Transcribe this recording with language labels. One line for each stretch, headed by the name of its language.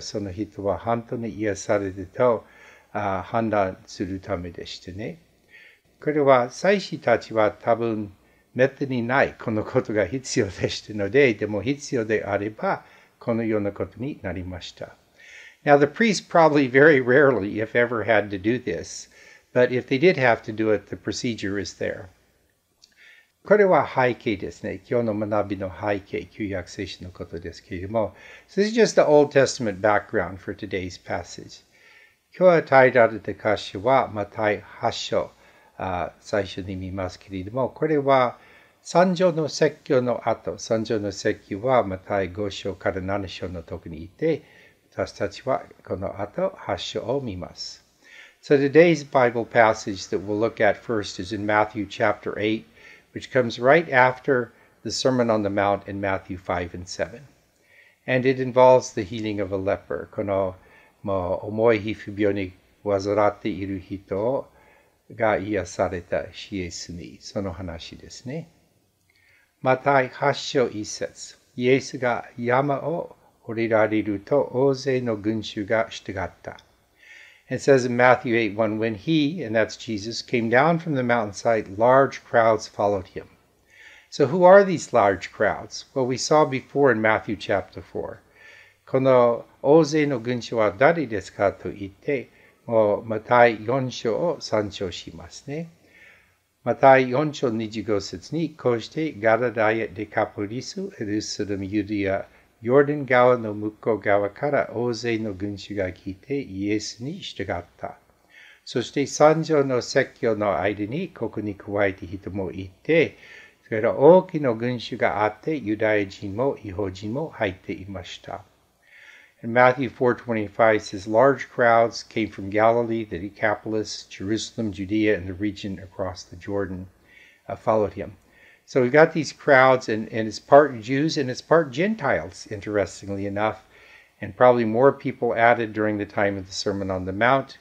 Japanese: その人は本当に癒されてと判断するためでしたね。これは祭司たちは多分、めったにないこのことが必要でしたので、でも必要であればこのようなことになりました。
English: Now the priest probably very rarely, if ever, had to do this, but if they did have to do it, the procedure is there.
Japanese: これは背景ですね。今日の学びの背景、旧約聖書のことですけれども。
English: So this is just the Old Testament background for today's passage.
Japanese: 今日は与えられた箇所はマタイ8章。最初に見ますけれども、これは三条の説教の後、三条の説教はまた五章から七章の時にいて、私たちはこの後八章を見ます。
English: So today's Bible passage that we'll look at first is in Matthew chapter 8, which comes right after the Sermon on the Mount in Matthew 5 and 7. And it involves the healing of a leper, この
Japanese: 重い皮膚病に患っている人をが癒されたシエスにその話ですね。マタイ8章1節、イエスが山を降りられると大勢の群衆が従った。
English: It says in Matthew 8:1, when he, and that's Jesus, came down from the mountainside, large crowds followed him. So who are these large crowds? Well, we saw before in Matthew chapter 4.
Japanese: この大勢の群衆は誰ですかと言って、もうマタイ4章を参照しますね。マタイ4章25節に、こうしてガラダヤ・デカポリス、エルサレム・ユダヤ、ヨルダン川の向こう側から大勢の群衆が来てイエスに従った。そして山上の説教の間にここに加えて人もいて、それから大きな群衆があってユダヤ人も異邦人も入っていました。
English: And Matthew 4:25 says, large crowds came from Galilee, the Decapolis, Jerusalem, Judea, and the region across the Jordan, followed him. So we've got these crowds, and it's part Jews and it's part Gentiles, interestingly enough, and probably more people added during the time of the Sermon on the Mount.